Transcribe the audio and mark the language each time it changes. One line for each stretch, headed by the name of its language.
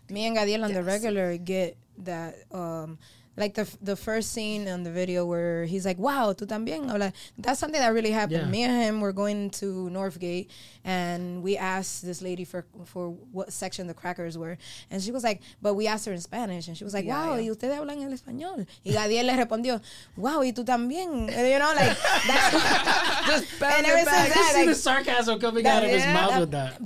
English: Me and Gadiel on the regular get that, like the first scene on the video where he's like, "Wow,
Spanish: tú también."
English: Hola. That's something that really happened. Yeah. Me and him were going to Northgate, and we asked this lady for what section the crackers were, and she was like, "But we asked her in Spanish," and she was like, "Wow,
Spanish: y ustedes hablan el español?" Y Gadiel le respondió, "Wow, y tú también."
English: You know, like that's just and ever since that, like, the sarcasm coming out of his mouth with that.